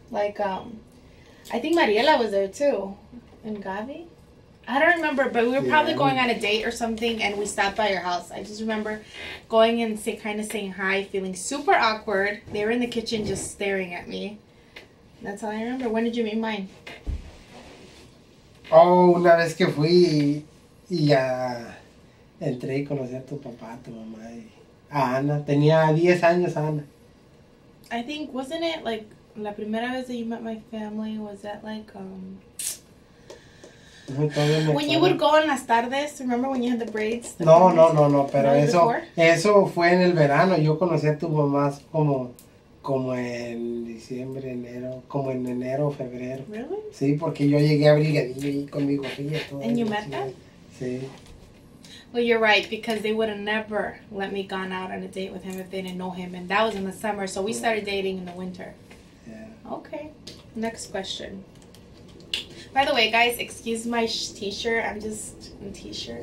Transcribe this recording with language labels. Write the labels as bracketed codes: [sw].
[en] Like, I think Mariela was there too. And Gabi? I don't remember, but we were probably going on a date or something, and we stopped by your house. I just remember going and saying hi, feeling super awkward. They were in the kitchen just staring at me. That's all I remember. When did you meet mine? [es] Oh, una vez que fui y ya entré y conocí a tu papá, tu mamá, y a Ana. Tenía 10 años, Ana. [en] I think, wasn't it like, [es] la primera vez [en] that you met my family, was that like, when you would go [es] en las tardes, [en] remember when you had the braids? [es] No, pero eso fue en el verano. Yo conocí a tu mamá como en diciembre, enero, como en enero, febrero. [en] Really? [es] Sí, porque yo llegué a Brigadillo y con mi gorrilla. [en] And you met them? [es] Sí. [en] Well, you're right, because they would have never let me gone out on a date with him if they didn't know him. And that was in the summer, so we started dating in the winter. Yeah. Okay, next question. By the way, guys, excuse my t-shirt. I'm just in t-shirt.